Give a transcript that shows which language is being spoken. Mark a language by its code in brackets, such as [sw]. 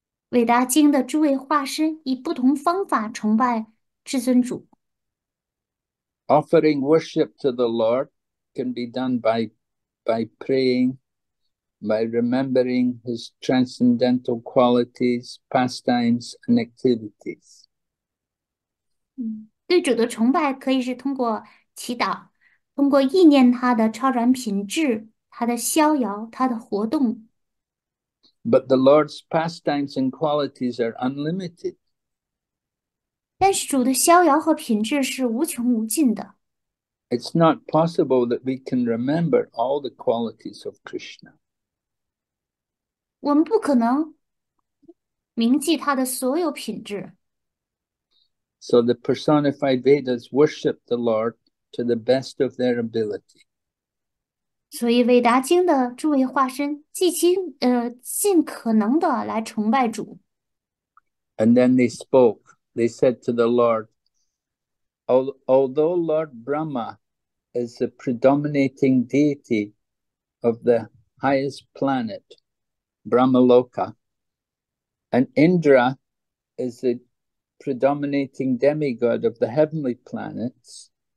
[zh] 伟大经的诸位化身以不同方法崇拜至尊主。 [en] Offering worship to the Lord can be done by praying, by remembering his transcendental qualities, pastimes, and activities. [zh] 对主的崇拜可以是通过祈祷，通过意念他的超然品质、他的逍遥、他的活动。 [en] But the Lord's pastimes and qualities are unlimited. [zh] 但是主的逍遥和品质是无穷无尽的。 [en] It's not possible that we can remember all the qualities of Krishna. [zh] 我们不可能铭记他的所有品质。 [en] So the personified Vedas worship the Lord to the best of their ability. [zh] 所以韦达经的诸位化身尽可能的来崇拜主。 [en] And then they spoke. They said to the Lord, although Lord Brahma is the predominating deity of the highest planet, Brahmaloka, and Indra is the predominating demigod of the heavenly planets,